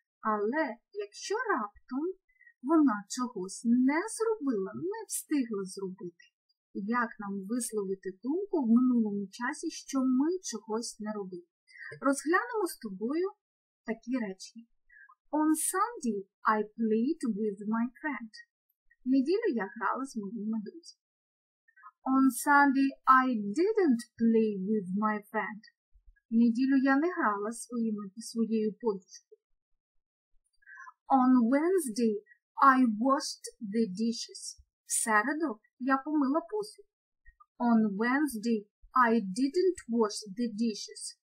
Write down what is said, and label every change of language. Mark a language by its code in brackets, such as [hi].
[uk] Але якщо раптом вона чогось не зробила, не встигла зробити, як нам висловити думку в минулому часі, що ми чогось не робили? Розглянемо з тобою такі речі. [en] On Sunday I played with my friend. [uk] В неділю я грала з моїми друзями. [en] On Sunday I didn't play with my friend. [uk] В неділю я не грала своєю подружкою. [en] On Wednesday I washed the dishes. [uk] В середу я помила посуд. [en] On Wednesday I didn't wash the dishes.